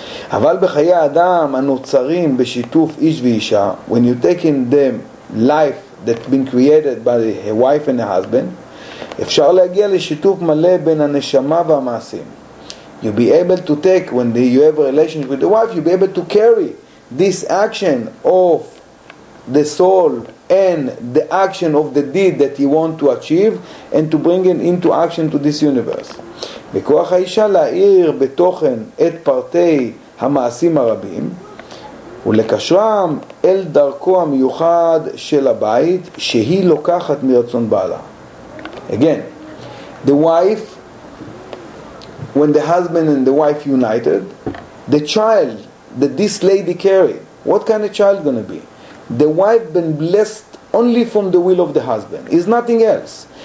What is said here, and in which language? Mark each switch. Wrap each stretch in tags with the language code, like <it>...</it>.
<he>Aval b'chaya adam anotzarim b'shituf ish v'isha,</he> <en>when you take in the life that's been created by a wife and a husband,</en> <he>אפשר להגיע לשיתוף מלא בין הנשמה והמעשים.</he> <en>You'll be able to take, when you have a relationship with the wife, you'll be able to carry this action of the soul and the action of the deed that you want to achieve and to bring it into action to this universe.</en> <he>בכוח האישה להאיר בתוכן את פרטי המעשים הרבים ולקשרם אל דרכו המיוחד של הבית שהיא לוקחת מרצון בעלה.</he> <en>Again, the wife, when the husband and the wife united, the child that this lady carry, what kind of child going to be? The wife been blessed only from the will of the husband. It's nothing else.</en>